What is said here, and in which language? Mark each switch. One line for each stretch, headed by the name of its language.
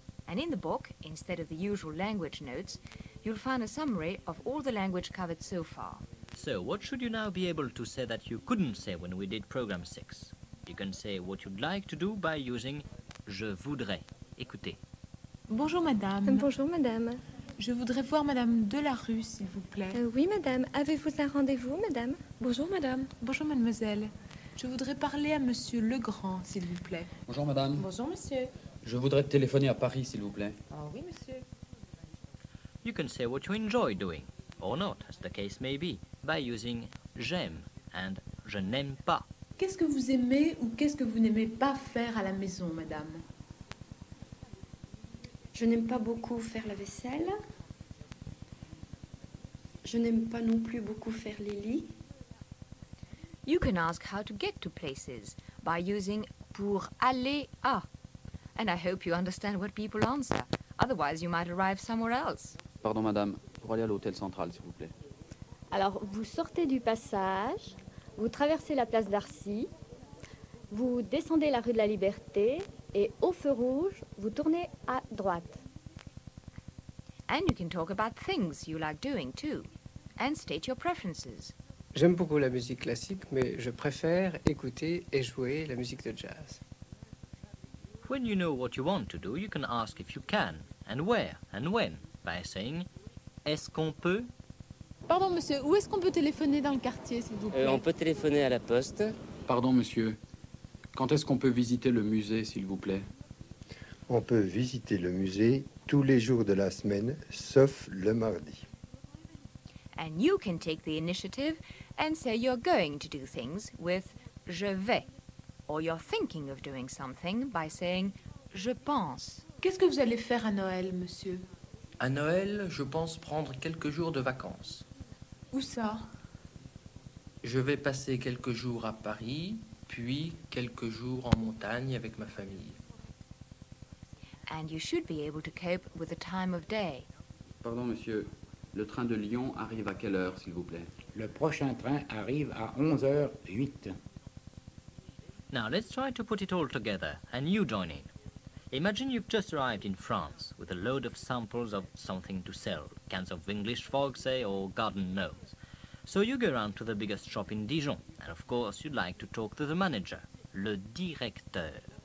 English: And in the book, instead of the usual language notes, you'll find a summary of all the language covered so far. So, what should you now be able to say that you couldn't say when we did program 6? You can say what you'd like to do by using
French: je voudrais. Écoutez. Bonjour, madame. Bonjour, madame. Je voudrais voir Madame Delarue, s'il vous plaît. Oui, madame. Avez-vous un rendez-vous, madame? Bonjour, madame. Bonjour, mademoiselle. Je voudrais parler à Monsieur Legrand, s'il vous plaît. Bonjour, madame. Bonjour, monsieur. Je voudrais téléphoner à Paris, s'il vous plaît. Oh, oui, monsieur.
English: You can say what you enjoy doing, or not, as the case may be, by using
French: j'aime
English: and
French: je n'aime pas. Qu'est-ce que vous aimez ou qu'est-ce que vous n'aimez pas faire à la maison, madame? Je n'aime pas beaucoup faire la vaisselle. Je n'aime pas non plus beaucoup faire les lits.
English: You can ask how to get to places by using
French: pour aller à.
English: And I hope you understand what people answer. Otherwise, you might arrive somewhere else.
French: Pardon, madame. Pour aller à l'hôtel central, s'il vous plaît. Alors, vous sortez du passage, vous traversez la place d'Arcy, vous descendez la rue de la Liberté, et au feu rouge, vous tournez à droite.
English: And you can talk about things you like doing too, and state your preferences.
French: J'aime beaucoup la musique classique, mais je préfère écouter et jouer la musique de jazz.
English: When you know what you want to do, you can ask if you can, and where, and when, by saying,
French: est-ce qu'on peut? Pardon, monsieur, où est-ce qu'on peut téléphoner dans le quartier, s'il vous plaît? On peut téléphoner à la poste. Pardon, monsieur. Quand est-ce qu'on peut visiter le musée, s'il vous plaît? On peut visiter le musée tous les jours de la semaine, sauf le mardi.
English: And you can take the initiative and say you're going to do things with
French: je vais.
English: Or you're thinking of doing something by saying
French: je pense. Qu'est-ce que vous allez faire à Noël, monsieur? À Noël, je pense prendre quelques jours de vacances. Où ça? Je vais passer quelques jours à Paris, puis quelques jours en montagne avec ma famille.
English: And you should be able to cope with the time of day.
French: Pardon, monsieur. Le train de Lyon arrive à quelle heure, s'il vous plaît? Le prochain train arrive à 11h08.
English: Now, let's try to put it all together, and you join in. Imagine you've just arrived in France with a load of samples of something to sell. Cans of English fog, say, or garden gnomes. So you go around to the biggest shop in Dijon, and of course you'd like to talk to the manager,
French: le directeur.